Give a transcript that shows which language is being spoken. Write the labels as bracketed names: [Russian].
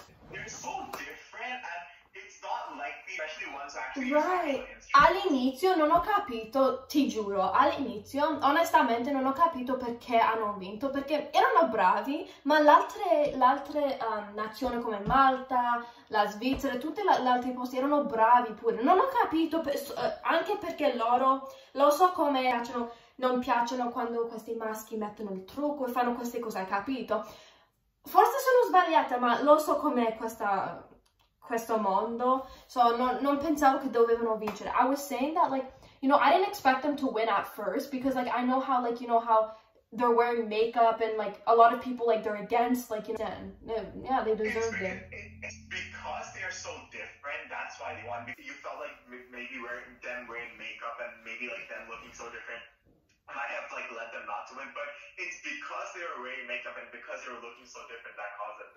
[English] They're so different, and it's not like the especially ones actually. Right. [Italian] All'inizio non ho capito, ti giuro, all'inizio onestamente non ho capito perché hanno vinto, perché erano bravi, ma l'altre nazioni come Malta, la Svizzera, tutti gli altri posti erano bravi pure. Non ho capito anche perché loro, lo so come piacciono, non piacciono quando questi maschi mettono il trucco e fanno queste cose, hai capito? Forse sono sbagliata, ma lo so com'è questo mondo, so non pensavo che dovevano vincere. [English] I was saying that, like, you know, I didn't expect them to win at first because, like, I know how, like, you know, how they're wearing makeup and, like, a lot of people, like, they're against, like, you know, yeah, they deserved it. It's because they're so different, that's why they won. You felt like maybe wearing them wearing makeup and maybe, like, them looking so different might have, like, led them not to win, but it's because they were wearing makeup and because they were looking so different that caused it.